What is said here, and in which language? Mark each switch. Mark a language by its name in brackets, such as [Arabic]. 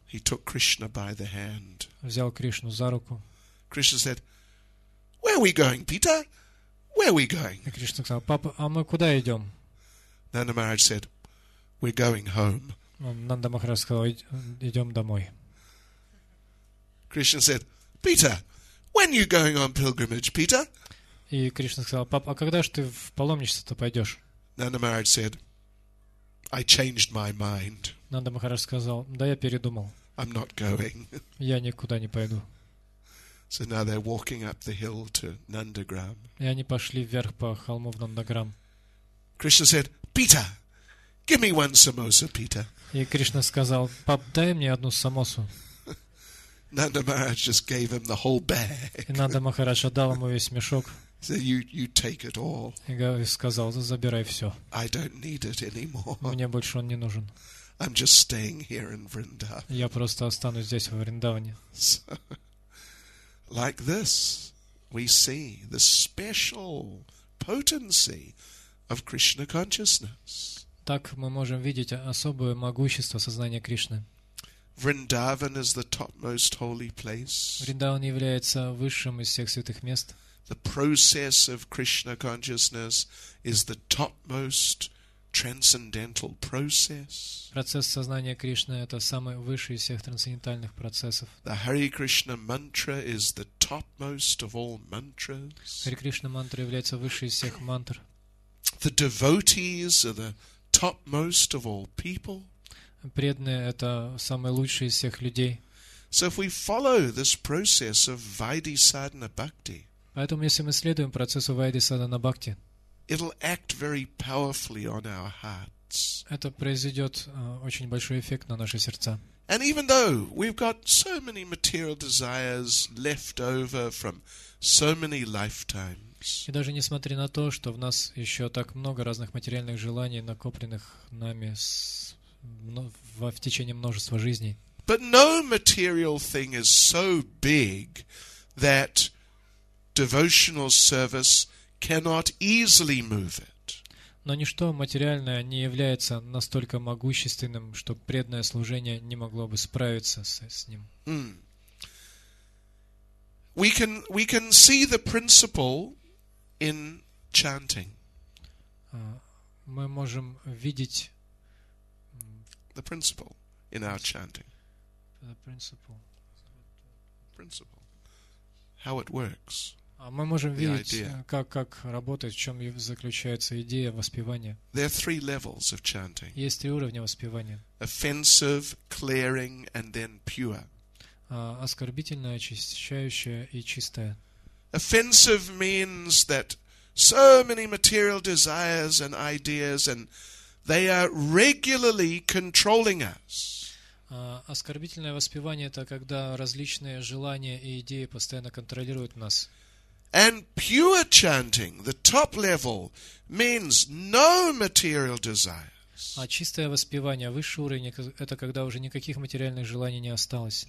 [English] He took Krishna by the hand. [Russian] Взял Кришну за руку. [English] Krishna said, "Where are we going, Peter? Where are we going?" [Russian] И Кришна сказал: "Папа, а мы куда идем?" [English] Nanda Maharaj said, "We're going home." [Russian] Нанда Махарадж сказал, идем домой. [English] Krishna said, Peter, when you going on pilgrimage, Peter? [Russian] И Кришна сказал, папа, а когда же ты в паломничество-то пойдешь? [English] Nanda Maharaj said, I changed my mind. [Russian] Нанда Махарадж сказал, да я передумал. [English] I'm not going. [Russian] Я никуда не пойду. [English] So now they're walking up the hill to Nandagram. [Russian] И они пошли вверх по холму в Нандаграм. [English] Krishna said, Peter, give me one samosa, Peter. [Russian] И Кришна сказал, пап, дай мне одну самосу. [English] Nanda Maharaj just gave him the whole bag. [Russian] И Нанда Махарадж отдал ему весь мешок. [English] He said, you take it all. [Russian] И сказал, забирай все. [English] I don't need it anymore. [Russian] Мне больше он не нужен. [English] I'm just staying here in Vrindavan. [Russian] Я просто останусь здесь, в Вриндаване. [English] So, like this, we see the special potency of Krishna consciousness. [Russian] Так мы можем видеть особое могущество сознания Кришны. [English] Vrindavan is the topmost holy place. [Russian] Вриндаван является высшим из всех святых мест. [English] The process of Krishna consciousness is the topmost transcendental process. [Russian] Процесс сознания Кришны – это самый высший из всех трансцендентальных процессов. [English] The Hare Krishna mantra is the topmost of all mantras. [Russian] Hare Krishna mantra является высшей из всех мантр. [English] The devotees are the topmost of all people. [Russian] Преданные — это самые лучшие из всех людей. [English] So if we follow this process of Vaidhi Sadhana Bhakti, [Russian] поэтому если мы следуем процессу Vaidhi Sadhana Bhakti, [English] it'll act very powerfully on our hearts. [Russian] Это произведет очень большой эффект на наши сердца. [English] And even though we've got so many material desires left over from so many lifetimes, [Russian] и даже несмотря на то, что в нас еще так много разных материальных желаний, накопленных нами в течение множества жизней. [English] But no material thing is so big that devotional service cannot easily move it. [Russian] Но ничто материальное не является настолько могущественным, чтобы преданное служение не могло бы справиться с ним. [English] We can see the principle in chanting. [Russian] Мы можем видеть [English] the principle in our chanting. The principle. How it works. [Russian] Мы можем видеть, как работает, в чем заключается идея воспевания. [English] There are three levels of chanting. [Russian] Есть три уровня воспевания. [English] Offensive, clearing, and then pure. [Russian] Оскорбительное, очищающее и чистое. [English] Offensive means that so many material desires and ideas, and they are regularly controlling us. [Russian] Оскорбительное воспевание — это когда различные желания и идеи постоянно контролируют нас. [English] And pure chanting, the top level, means no material desires. [Russian] А чистое воспевание, высший уровень, это когда уже никаких материальных желаний не осталось.